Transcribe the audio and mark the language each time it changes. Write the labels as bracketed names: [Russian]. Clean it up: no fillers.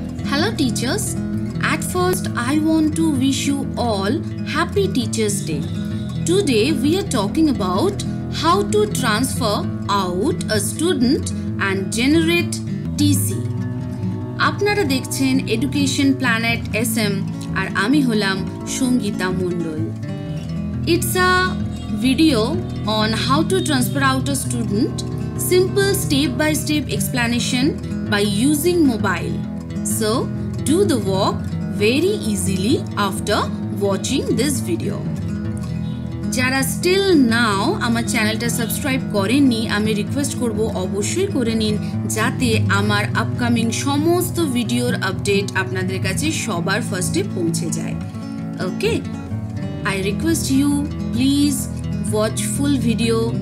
[English] Hello teachers, at first I want to wish you all happy Teachers Day. Today we are talking about how to transfer out a student and generate TC. [Bangla] আপনারা দেখছেন Education Planet SM আর আমি হলাম সঙ্গীতা মণ্ডল. [English] It's a video on how to transfer out a student. Simple step-by-step explanation by using mobile. So, do the work very easily after watching this video. [Bangla] যারা still now আমার চ্যানেলটা subscribe করেননি, আমি request করব অবশ্যই করে নিন, যাতে আমার আপকামিং সমস্ত ভিডিওর আপডেট আপনাদের কাছে সবার ফার্স্টে পৌঁছে যায়। [English] Okay, I request you please watch full video.